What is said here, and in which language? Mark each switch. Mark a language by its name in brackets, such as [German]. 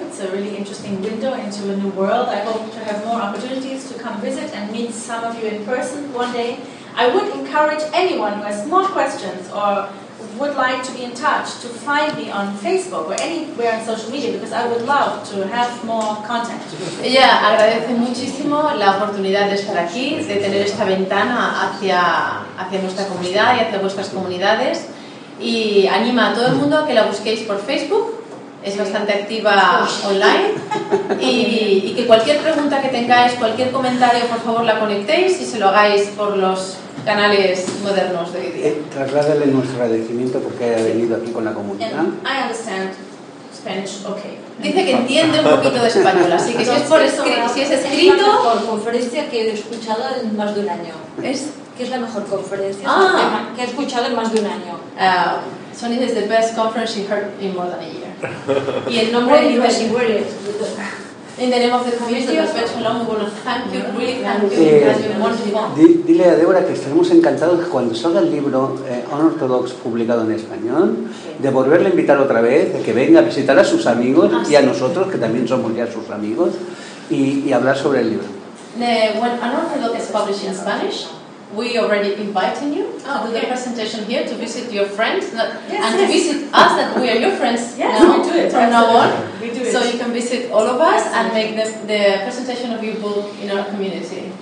[English] It's a really interesting window into a new world. I hope to have more opportunities to come visit and meet some of you in person one day. I would encourage anyone who has more questions or would like to be in touch to find me on Facebook or anywhere on social media, because I would love to have more contact. [Spanish] Ella agradece muchísimo la oportunidad de estar aquí, de tener esta ventana hacia nuestra comunidad y hacia vuestras comunidades, y anima a todo el mundo a que la busquéis por Facebook. Es bastante activa online y que cualquier pregunta que tengáis, cualquier comentario, por favor la conectéis y se lo hagáis por los canales modernos de hoy día. Trasládale nuestro agradecimiento porque haya venido aquí con la comunidad. [English] And I understand Spanish, okay. [Spanish] Dice que entiende un poquito de español, así que si es escrito... Por conferencia que he escuchado en más de un año. ¿Qué es la mejor conferencia que he escuchado en más de un año? [English] Sonia says the best conference she heard in more than a year. [Spanish] Y el nombre de [English] Dios, in the name of the community of Beth Shalom, we want to thank you, really thank you, because you're wonderful. [Spanish] Dile a Débora que estaremos encantados que cuando salga el libro Unorthodox publicado en español, de volverle a invitar otra vez, de que venga a visitar a sus amigos y a nosotros, que también somos ya sus amigos, y hablar sobre el libro. [English] When Unorthodox is published in Spanish, we already inviting you to the presentation here to visit your friends to visit us, that we are your friends. Yes, now, we do it. From now on. We do it. So you can visit all of us and make the presentation of your book in our community.